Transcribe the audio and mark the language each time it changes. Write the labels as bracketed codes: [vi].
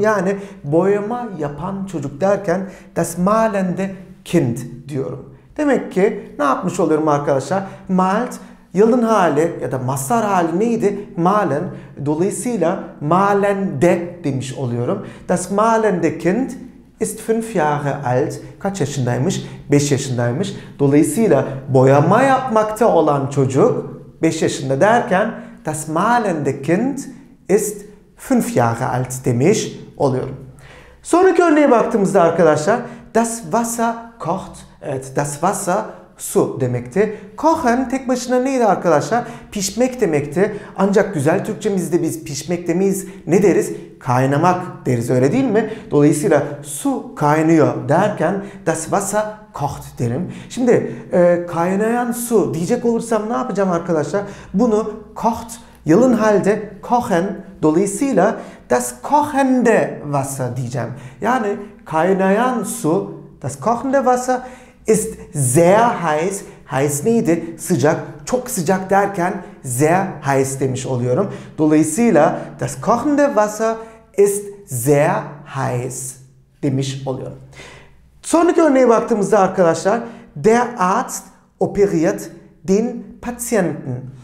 [tr] Yani boyama yapan çocuk derken [de] das malende Kind [tr] diyorum. Demek ki ne yapmış oluyorum arkadaşlar? Malt, yalın hali ya da mastar hali neydi? Malen. Dolayısıyla malende demiş oluyorum. [de] Das malende Kind ist 5 Jahre alt. [tr] Kaç yaşındaymış? 5 yaşındaymış. Dolayısıyla boyama yapmakta olan çocuk 5 yaşında derken [de] das malende Kind ist 5 Jahre alt [tr] demiş oluyorum. Sonraki örneğe baktığımızda arkadaşlar [de] das Wasser kocht. [tr] Evet, [de] das Wasser [tr] su demekti. Kochen tek başına neydi arkadaşlar? Pişmek demekti. Ancak güzel Türkçemizde biz pişmek demeyiz. Ne deriz? Kaynamak deriz, öyle değil mi? Dolayısıyla su kaynıyor derken [de] das Wasser kocht [tr] derim. Şimdi kaynayan su diyecek olursam ne yapacağım arkadaşlar? Bunu kocht, yalın halde kochen, dolayısıyla [de] das kochende Wasser [tr] diyeceğim. Yani kaynayan su, [de] das kochende Wasser ist sehr heiß. [tr] Heiß neydi? Sıcak, çok sıcak derken [de] sehr heiß [tr] demiş oluyorum. Dolayısıyla [de] das kochende Wasser ist sehr heiß [tr] demiş oluyorum. Sonraki örneğe baktığımızda arkadaşlar [de] der Arzt operiert den Patienten.